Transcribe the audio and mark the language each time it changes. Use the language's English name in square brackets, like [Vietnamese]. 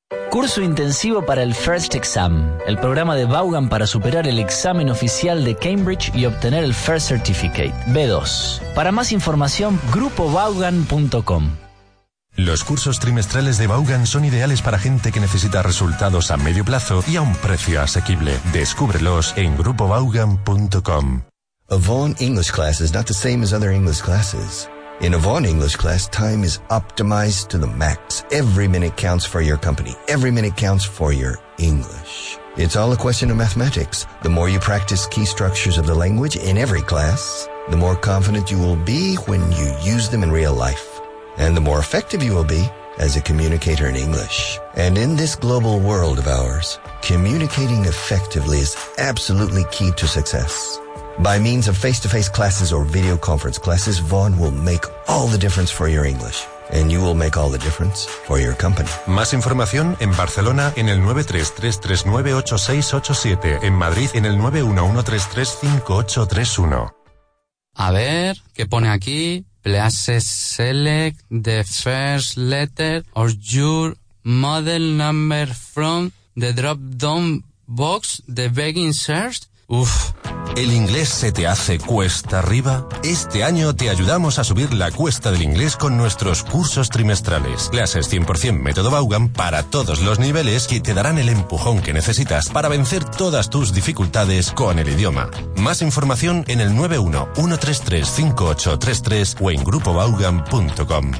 [Spanish] Curso intensivo para el First Exam, el programa de Vaughan para superar el examen oficial de Cambridge y obtener el First Certificate, B2. Para más información, grupovaughan.com. Los cursos trimestrales de Vaughan son ideales para gente que necesita resultados a medio plazo y a un precio asequible. Descúbrelos en grupovaughan.com. [English] Avon English Class is not the same as other English classes. In a Vaughan English class, time is optimized to the max. Every minute counts for your company. Every minute counts for your English. It's all a question of mathematics. The more you practice key structures of the language in every class, the more confident you will be when you use them in real life. And the more effective you will be as a communicator in English. And in this global world of ours, communicating effectively is absolutely key to success. By means of face-to-face classes or video conference classes, Vaughan will make all the difference for your English. and you will make all the difference for your company. [Spanish] Más información en Barcelona en el 933398687, en Madrid en el 911335831. A ver, ¿qué pone aquí? [English] Please select the first letter of your model number from the drop-down box, the begin search. Uf. [Spanish] ¿El inglés se te hace cuesta arriba? Este año te ayudamos a subir la cuesta del inglés con nuestros cursos trimestrales. Clases 100% método Vaughan para todos los niveles que te darán el empujón que necesitas para vencer todas tus dificultades con el idioma. Más información en el 911335833 o en grupovaughan.com.